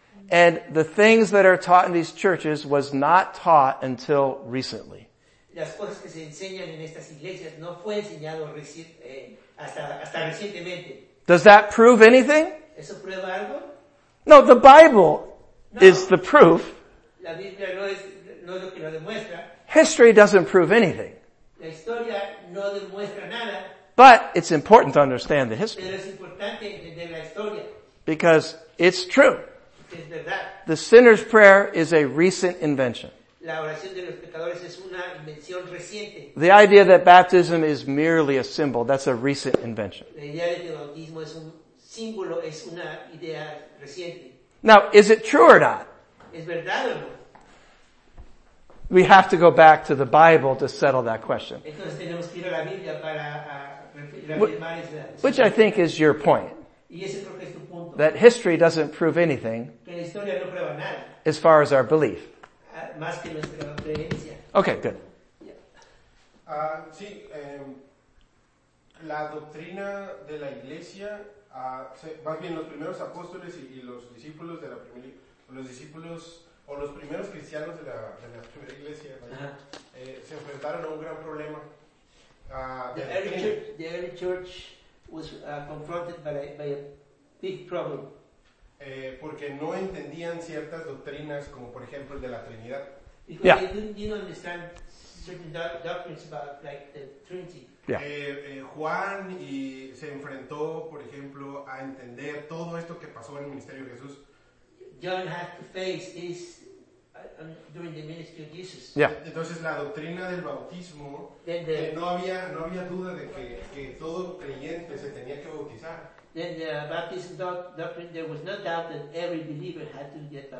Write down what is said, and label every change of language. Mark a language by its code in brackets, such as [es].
[en] And the things that are taught in these churches was not taught until recently. [es] Las cosas que se enseñan en estas iglesias no fue enseñado hasta recientemente. [en] Does that prove anything? [es] ¿Eso prueba algo? [en] No, the Bible is the proof. [es] La Biblia no es lo que lo demuestra. [en] History doesn't prove anything. [es] La historia no demuestra nada. [en] But it's important to understand the history. [es] Pero es importante entender la historia. [en] Because it's true. The sinner's prayer is a recent invention. [es] La oración de los pecadores es una invención reciente. [en] The idea that baptism is merely a symbol, that's a recent invention. [es] La idea de que el bautismo es un símbolo es una idea reciente. [en] Now, is it true or not? [es] ¿Es verdad o no? [en] We have to go back to the Bible to settle that question. [es] Entonces tenemos que ir a la Biblia para reafirmar esa. [en] Which I think is your point. [es] Y ese creo que es tu punto. [en] That history doesn't prove anything. [es] Que la historia no prueba nada. [en] As far as our belief. [es] Más que nuestra creencia. [en] Okay, good. Yeah. [es] La doctrina de la iglesia, más bien los primeros apóstoles y los discípulos de la primera, los discípulos o los primeros cristianos de la primera iglesia, se enfrentaron a un gran problema. [en] The early church was confronted by a big problem. [es] Porque no entendían ciertas doctrinas como por ejemplo el de la Trinidad. [en] Because they didn't understand certain doctrines about like the Trinity. Yeah. [es] Juan y se enfrentó, por ejemplo, a entender todo esto que pasó en el ministerio de Jesús. [en] John had to face this during the ministry of Jesus. Yeah. [es] Entonces la doctrina del bautismo, no había duda de que todo creyente se tenía que bautizar. [en] Then the baptism doctrine, there was no doubt that every believer had to get baptized.